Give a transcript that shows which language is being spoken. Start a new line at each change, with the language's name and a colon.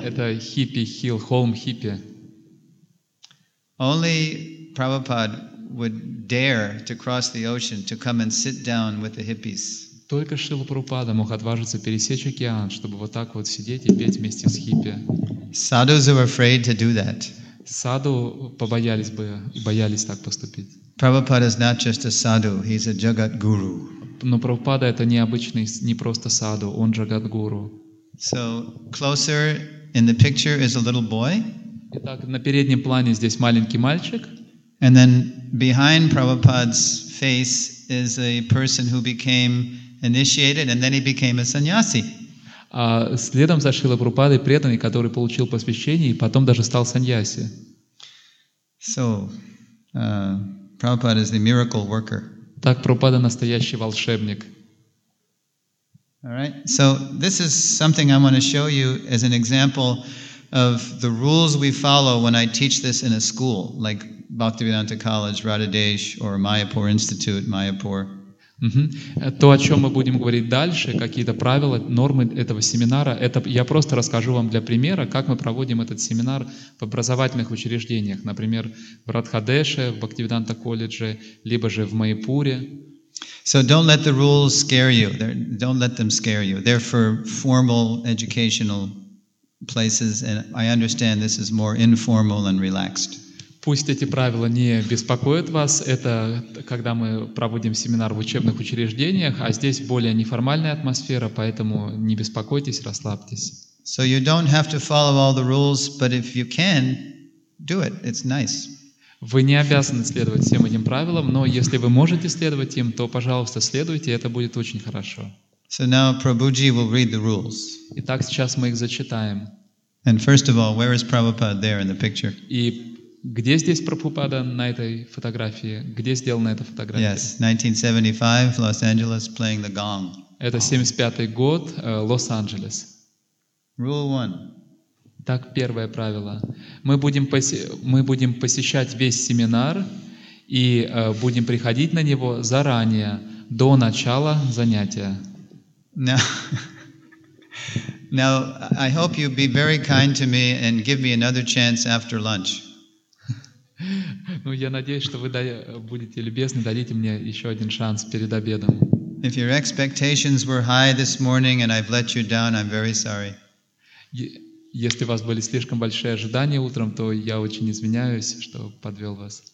Russian: Это
English: Hippie Hill, Home Hippie. Only Prabhupada would dare to cross the ocean to come and sit down with the hippies.
Russian: Только Шрила Прабхупада мог отважиться пересечь океан, чтобы вот так вот сидеть и петь вместе с хиппи.
English: Sadhus are afraid to do that.
Russian: Саду побоялись бы и боялись так поступить.
English: Prabhupada is not just a sadhu, he's a jagat guru.
Russian: Но Прабхупада это необычный, не просто саду, он джагат-гуру.
English: So closer in the picture is a little boy.
Russian: Итак, на переднем плане здесь маленький мальчик.
English: And then behind Prabhupada's face is a person who became initiated, and then he became a sannyasi.
Russian: А следом за Шрила Прабхупадой преданный, который получил посвящение и потом даже стал саньяси.
English: So, Prabhupada is the miracle worker.
Russian: Так Прабхупада настоящий волшебник.
English: All right. So this is something I want to show you as an example of the rules we follow when I teach this in a school, like Bhaktivedanta College, Radhadesh, or Mayapur Institute, Mayapur.
Russian: То, о чем мы будем говорить дальше, какие-то правила, нормы этого семинара, это я просто расскажу вам для примера, как мы проводим этот семинар в образовательных учреждениях, например, в Радхадеше, в Бхактивиданта колледже, либо же в Майпуре.
English: So don't let the rules scare you. Don't let them scare you. They're for formal educational places, and I understand this is more informal and relaxed.
Russian: Пусть эти правила не беспокоят вас, это когда мы проводим семинар в учебных учреждениях, а здесь более неформальная атмосфера, поэтому не беспокойтесь, расслабьтесь.
English: So you don't have to follow all the rules, but if you can, do it. It's nice.
Russian: Вы не обязаны следовать всем этим правилам, но если вы можете следовать им, то, пожалуйста, следуйте, это будет очень хорошо.
English: So now Prabhuji will read the rules.
Russian: Итак, сейчас мы их зачитаем.
English: And first of all, where is Prabhupada there in the picture?
Russian: Где здесь Прабхупада на этой фотографии? Где сделана эта фотография?
English: Yes, 1975, Los Angeles, playing the gong.
Russian: Это 75-й год, Лос-Анджелес.
English: Rule one.
Russian: Так, первое правило. Мы будем посещать весь семинар и будем приходить на него заранее, до начала занятия.
English: Now, I hope you be very kind to me and give me another chance after lunch.
Russian: Ну, я надеюсь, что вы будете любезны, дадите мне еще один шанс перед обедом.
English: If your expectations were high this morning and I've let you down, I'm very sorry.
Russian: Если у вас были слишком большие ожидания утром, то я очень извиняюсь, что подвел вас.